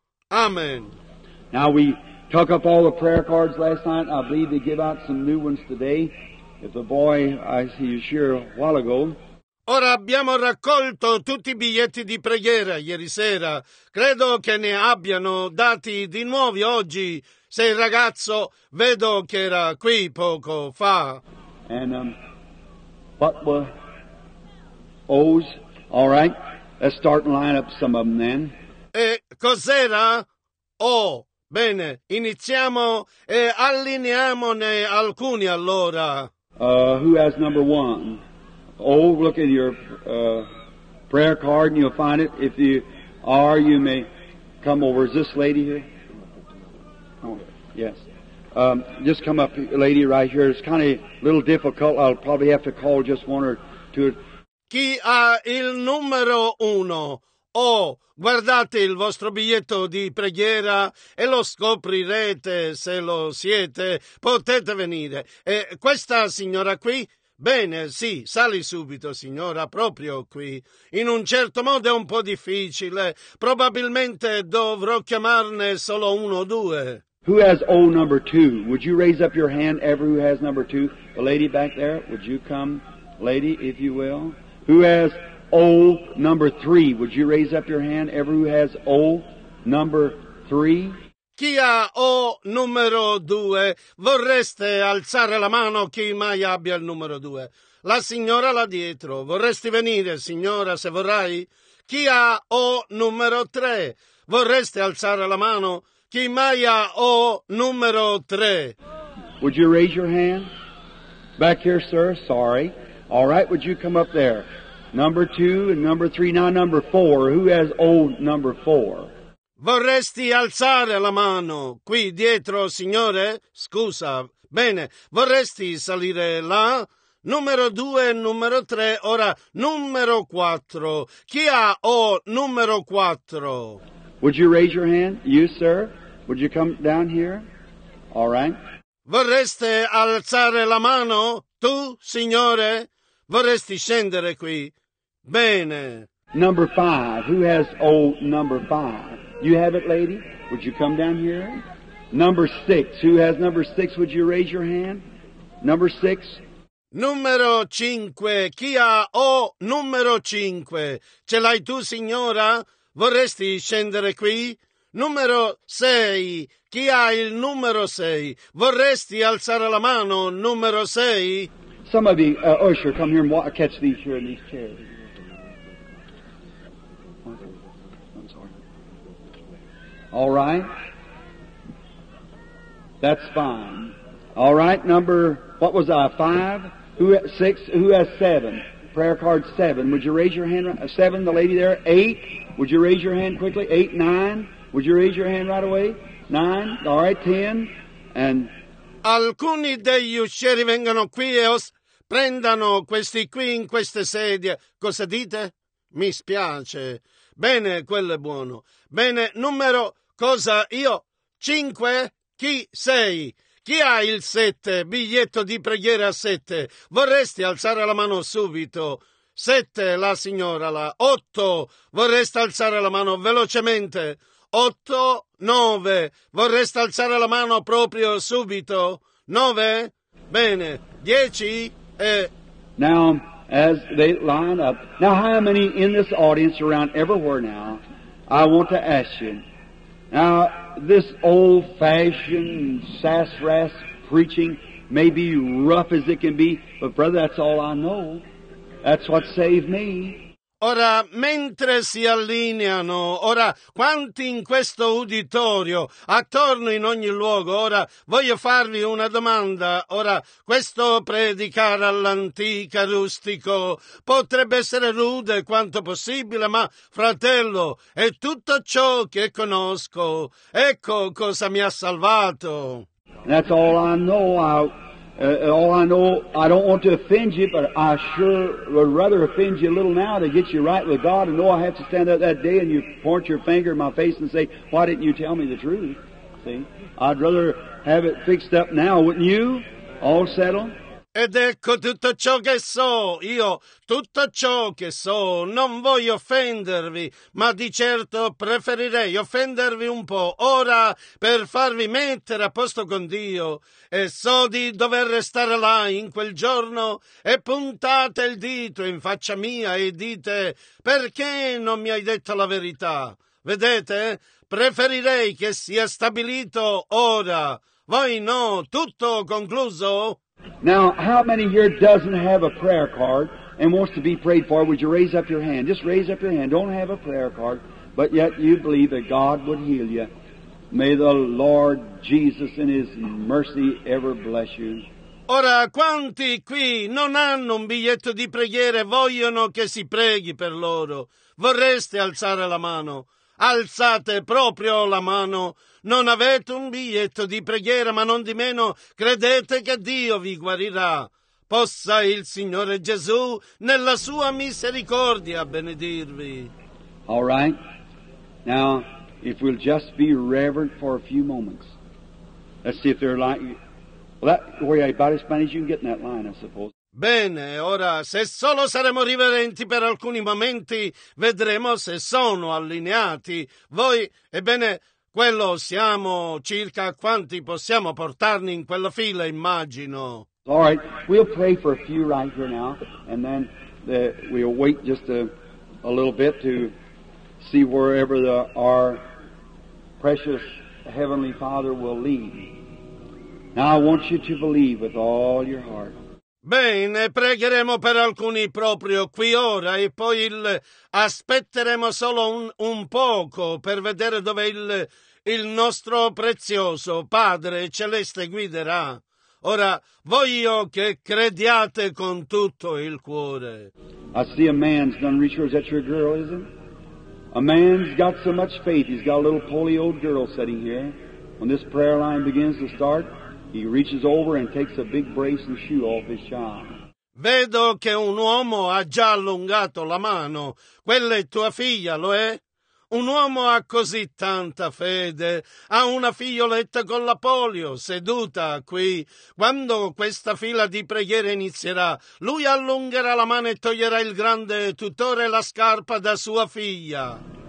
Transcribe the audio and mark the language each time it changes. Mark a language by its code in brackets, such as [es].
[en] Amen. Now we took up all the prayer cards last night. I believe they give out some new ones today. If the boy, I see you sure a while ago. [it] Ora abbiamo raccolto tutti i biglietti di preghiera ieri sera. Credo che ne abbiano dati di nuovi oggi. Se il ragazzo vedo che era qui poco fa. [en] And what were O's? All right, let's start and line up some of them then. [it] E cos'era O? Oh, bene, iniziamo e allineiamone alcuni allora. [en] Who has number one? Oh, look in your prayer card and you'll find it. If you are, you may come over. Is this lady here? Oh, yes. Just come up, lady, right here. It's kind of a little difficult. I'll probably have to call just one or two. [it] Chi ha il numero uno? Oh, guardate il vostro biglietto di preghiera e lo scoprirete se lo siete. Potete venire. E questa signora qui? Bene, sì, sali subito, signora, proprio qui. In un certo modo è un po' difficile. Probabilmente dovrò chiamarne solo uno o due. [en] Who has O number two? Would you raise up your hand, every who has number two? The lady back there, would you come, lady, if you will? Who has O number three? Would you raise up your hand, every who has O number three? [it] Chi ha O numero due, vorreste alzare la mano chi mai abbia il numero due? La signora là dietro, vorresti venire, signora, se vorrai? Chi ha O numero tre, vorreste alzare la mano chi mai ha O numero tre? [en] Would you raise your hand? Back here, sir, sorry. All right, would you come up there? Number two and number three, now number four. Who has O number four? [it] Vorresti alzare la mano qui dietro, signore? Scusa. Bene, vorresti salire là? Numero due, numero tre, ora numero quattro. Chi ha O numero quattro? [en] Would you raise your hand? You, sir? Would you come down here? All right. [it] Vorreste alzare la mano? Tu, signore? Vorresti scendere qui? Bene. [en] Number five. Who has O number five? You have it, lady? Would you come down here? Number six. Who has number six? Would you raise your hand? Number six. [it] Numero cinque. Chi ha O numero cinque? Ce l'hai tu, signora? Vorresti scendere qui? Numero sei. Chi ha il numero sei? Vorresti alzare la mano, numero sei? [en] Some of you, usher, come here and catch these here in these chairs. All right. That's fine. All right, number, what was I, five? Who six? Who has seven? Prayer card seven. Would you raise your hand? Seven, the lady there. Eight. Would you raise your hand quickly? Eight, nine. Would you raise your hand right away? Nine. All right, ten. And [it] alcuni degli uscieri vengono qui e prendano questi qui in queste sedie. Cosa dite? Mi spiace. Bene, quello è buono. Bene, numero, cosa io? Cinque? Chi sei? Chi ha il sette? Biglietto di preghiera sette. Vorresti alzare la mano subito? Sette, la signora, la. Otto, vorresti alzare la mano velocemente? Otto, nove, vorresti alzare la mano proprio subito? Nove? Bene, dieci e... [en] Now, as they line up. Now, how many in this audience around everywhere now, I want to ask you. Now, this old-fashioned sassafras preaching may be rough as it can be, but brother, that's all I know. That's what saved me. [it] Ora, mentre si allineano, ora, quanti in questo uditorio, attorno in ogni luogo, ora, voglio farvi una domanda. Ora, questo predicare all'antica, rustico, potrebbe essere rude quanto possibile, ma, fratello, è tutto ciò che conosco. Ecco cosa mi ha salvato. [en] That's all I know. I All I know, I don't want to offend you, but I sure would rather offend you a little now to get you right with God and know I have to stand up that day and you point your finger in my face and say, why didn't you tell me the truth? See, I'd rather have it fixed up now, wouldn't you? All settled? [it] Ed ecco tutto ciò che so, io tutto ciò che so, non voglio offendervi, ma di certo preferirei offendervi un po' ora per farvi mettere a posto con Dio. E so di dover restare là in quel giorno e puntate il dito in faccia mia e dite perché non mi hai detto la verità. Vedete? Preferirei che sia stabilito ora. Voi no, tutto concluso? [en] Now, how many here doesn't have a prayer card and wants to be prayed for? Would you raise up your hand? Just raise up your hand. Don't have a prayer card, but yet you believe that God would heal you. May the Lord Jesus in His mercy ever bless you. [it] Ora, quanti qui non hanno un biglietto di preghiera e vogliono che si preghi per loro? Vorreste alzare la mano? Alzate proprio la mano. Non avete un biglietto di preghiera, ma non di meno credete che Dio vi guarirà. Possa il Signore Gesù, nella sua misericordia, benedirvi. [en] All right. Now, if we'll just be reverent for a few moments. Let's see if they're like... Well, that's about as funny as you can get in that line, I suppose. [it] Bene, ora, se solo saremo riverenti per alcuni momenti, vedremo se sono allineati. Voi, ebbene... Quello siamo circa quanti possiamo portarne in quella fila, immagino. [en] All right, we'll pray for a few right here now, and then we'll wait just a little bit to see wherever our precious Heavenly Father will lead. Now I want you to believe with all your heart. [it] Bene, pregheremo per alcuni proprio qui ora e poi aspetteremo solo un poco per vedere dove il nostro prezioso Padre Celeste guiderà. Ora, voglio che crediate con tutto il cuore. [en] I see a man's done reached for. Is that your girl, is it? A man's got so much faith, he's got a little polio girl sitting here. When this prayer line begins to start, he reaches over and takes a big brace and shoe off his child. [it] Vedo che un uomo ha già allungato la mano. Quella è tua figlia, lo è? Un uomo ha così tanta fede, ha una figlioletta con la polio seduta qui. Quando questa fila di preghiere inizierà, lui allungherà la mano e toglierà il grande tutore la scarpa da sua figlia.